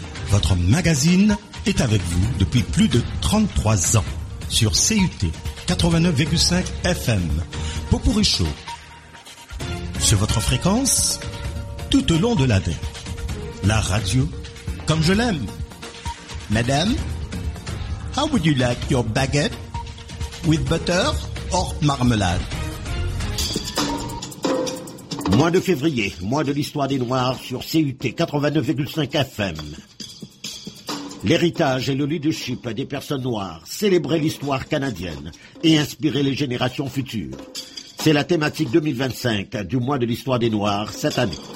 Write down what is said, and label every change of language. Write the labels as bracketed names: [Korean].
[French] Votre magazine est avec vous depuis plus de 33 ans. Sur CUT 89,5 FM, Popourri Show, sur votre fréquence, tout au long de l'année, la radio, comme je l'aime. [English] Madame, how would you like your baguette, with butter or marmalade? [French] Mois de février, mois de l'histoire des Noirs sur CUT 89,5 FM. L'héritage et le leadership des personnes noires célébraient l'histoire canadienne et inspiraient les générations futures. C'est la thématique 2025 du mois de l'histoire des Noirs cette année.